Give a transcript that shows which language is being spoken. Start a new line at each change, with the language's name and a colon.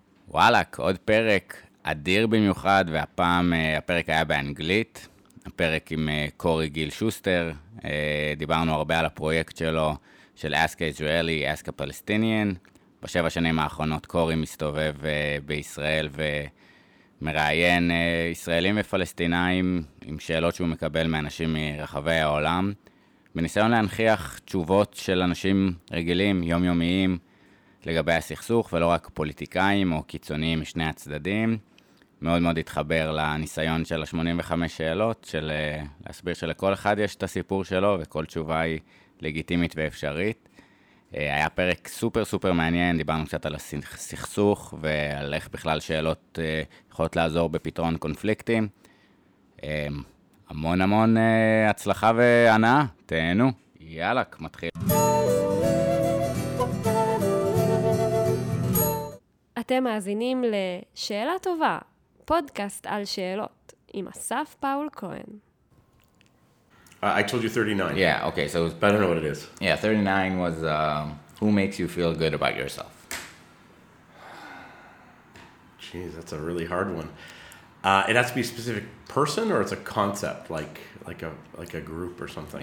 Hebrew: וואלק, עוד פרק אדיר במיוחד, והפעם הפרק היה באנגלית, הפרק עם קורי גיל שוסטר. דיברנו הרבה על הפרויקט שלו, של Ask a Israeli, Ask a Palestinian. בשבע שנים האחרונות קורי מסתובב בישראל ומראיין ישראלים ופלסטינאים עם שאלות שהוא מקבל מאנשים מרחבי העולם, בניסיון להנחיח תשובות של אנשים רגילים, יומיומיים, לגבי הסכסוך, ולא רק פוליטיקאים או קיצוניים משני הצדדים. מאוד מאוד התחבר לניסיון של ה-85 שאלות, של להסביר שלכל אחד יש את הסיפור שלו, וכל תשובה היא לגיטימית ואפשרית. היה פרק סופר סופר מעניין, דיברנו קצת על הסכסוך, ועל איך בכלל שאלות יכולות לעזור בפתרון קונפליקטים. המון המון הצלחה והנאה, תהנו. יאלק, מתחיל. אתם מאזינים לשאלה טובה, פודקאסט על שאלות, עם אסף פאול כהן.
English: I told you 39. Yeah, okay, so... I don't know what it is. Yeah, 39 was, who makes you feel good about yourself? Jeez, that's a really hard one. It has to be a specific person, or it's a concept, like a group or something?